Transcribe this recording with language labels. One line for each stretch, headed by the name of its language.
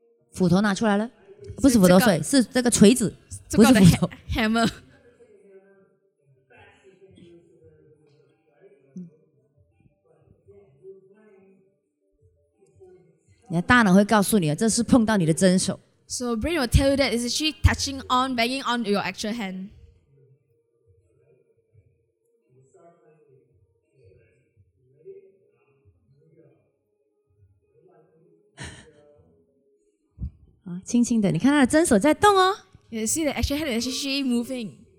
Chinese: 斧头拿出来了，不是斧头，这个、是这个锤子，不是斧头。
English: Hammer.
Chinese: 你的大脑会告诉你，这是碰到你的真手。
English: So brain will tell you that it's actually touching on, banging on your actual hand.
Chinese: 轻轻的，你看他的真手在动哦。
English: You see the actual hand is actually moving.